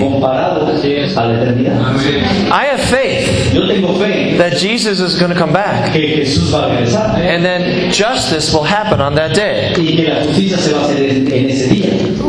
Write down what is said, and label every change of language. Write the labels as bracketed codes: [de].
[es] Comparado a la eternidad. [en] I have faith [es] yo tengo fe [en] that Jesus is going to come back [es] que Jesús va a regresar, [en] and then justice will happen on that day. [es] Y que la justicia se va a hacer en ese día.